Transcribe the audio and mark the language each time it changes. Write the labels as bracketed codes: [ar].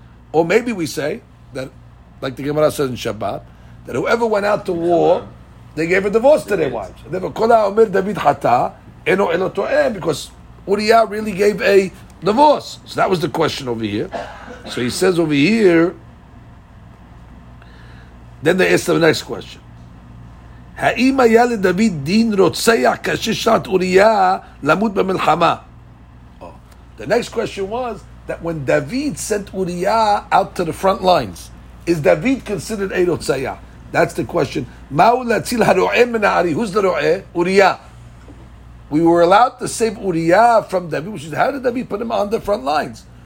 [en] Or maybe we say that, like the Gemara says in Shabbat, that whoever went out to war, they gave a divorce to their wives. And they were [he] kola omer David Hata, eno elo to'em, [en] because Uriah really gave a divorce. So that was the question over here. So he says over here, then they ask the next question. [he] האם היה לדוד דין רוצח כששלט אוריה למות במלחמה? [en] The next question was that when David sent Uriah out to the front lines, is David considered a רוצח? That's the question. [he] מהו להציל הרועה מן הארי? [en] Who's the רועה? Uriah. We were allowed to save Uriah from David, which is how did David put him on the front lines?